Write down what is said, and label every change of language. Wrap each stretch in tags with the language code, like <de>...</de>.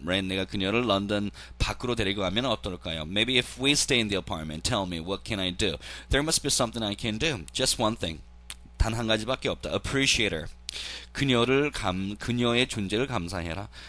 <en>Right?</en> <ko>내가 그녀를 런던 밖으로 데리고 가면 어떨까요?</ko> <en>Maybe if we stay in the apartment, tell me, what can I do? There must be something I can do. Just one thing.</en> <ko>단한 가지밖에 없다.</ko> <en>Appreciate her.</en> <ko>그녀의 존재를 감사해라.</ko>